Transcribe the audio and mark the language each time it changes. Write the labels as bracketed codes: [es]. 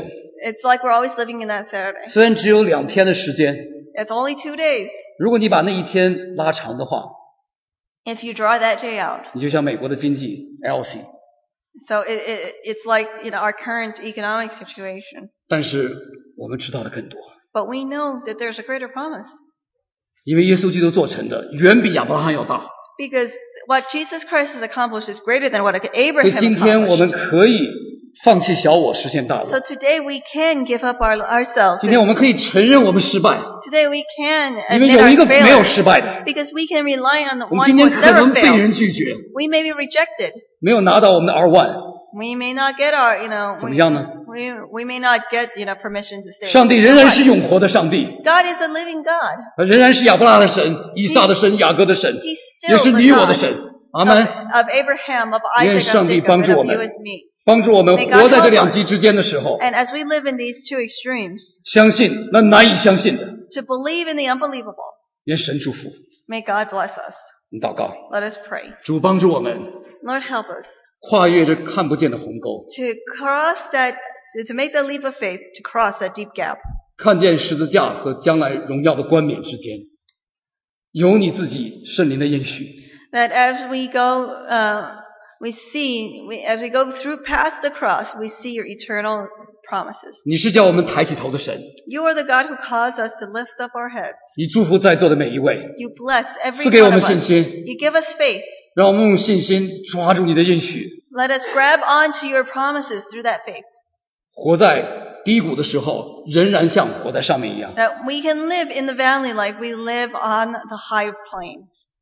[en] It's like we're always living in that Saturday. [zh] 虽然只有两天的时间。 [en] It's only 2 days. [zh] 如果你把那一天拉长的话。 [en] If you draw that day out. [zh] 你就像美国的经济 Elsie。 [en] So it's like, you know, our current economic situation. [zh] 但是我们知道的更多。 [en] But we know that there's a greater promise. [zh] 因为耶稣基督做成的远比亚伯拉罕要大。 [en] Because what Jesus Christ has accomplished is greater than what Abraham accomplished. [zh] 所以今天我们可以放弃小我实现大我。 [en] So today we can give up ourselves. [zh] 今天我们可以承认我们失败。 [en] Today we can admit our failure. [zh] 因为有一个没有失败的。 [en] Because we can rely on the one who never failed. [zh] 我们今天可能被人拒绝。 [en] We may be rejected. [zh] 没有拿到我们的 R1。 [en] We may not get our, you know, [zh] 怎么样呢？ [en] We may not get, you know, permission to stay. [zh] 上帝仍然是永活的上帝。 [en] God is a living God. [zh] 他仍然是亚伯拉罕的神、以撒的神、雅各的神，也是你我的神。阿门。 [en] Of Abraham, of Isaac, [zh] 愿上帝帮助我们，帮助我们活在这两极之间的时候。 [en] And as we live in these two extremes, [zh] 相信那难以相信的。 [en] To believe in the unbelievable. [zh] 愿神祝福。 [en] May God bless us. [zh] 你祷告。 [en] Let us pray. [zh] 主帮助我们。 [en] Lord help us. [zh] 跨越这看不见的鸿沟。 [en] To cross that. To make the leap of faith to cross that deep gap. [zh] 看见十字架和将来荣耀的冠冕之间，有你自己圣灵的应许。 [en] That as we go, as we go through past the cross, we see your eternal promises. [zh] 你是叫我们抬起头的神。 [en] You are the God who caused us to lift up our heads. [zh] 你祝福在座的每一位。 [en] You bless every one. [zh] 赐给我们信心。 [en] You give us faith. [zh] 让我们用信心抓住你的应许。 [en] Let us grab onto your promises through that faith. [zh] 活在低谷的时候仍然像活在上面一样。 [en] That we can live in the valley like we live on the high plains.